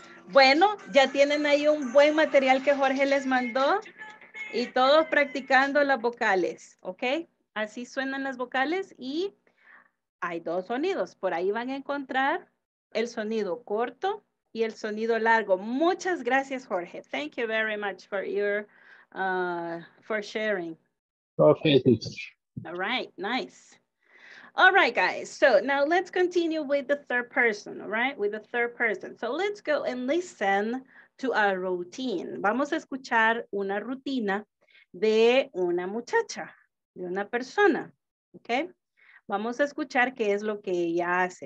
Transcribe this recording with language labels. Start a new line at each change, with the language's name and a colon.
Spanish: Bueno, ya tienen ahí un buen material que Jorge les mandó. Y todos practicando las vocales. ¿Ok? Así suenan las vocales. Y hay dos sonidos. Por ahí van a encontrar el sonido corto y el sonido largo. Muchas gracias, Jorge.
English: Thank you very much for your for sharing. Okay. All right, nice. All right, guys. So now let's continue with the third person, all right? With the third person. So let's go and listen to a routine.
Spanish: Vamos a escuchar una rutina de una muchacha, de una persona, okay? Vamos a escuchar qué es lo que ella hace.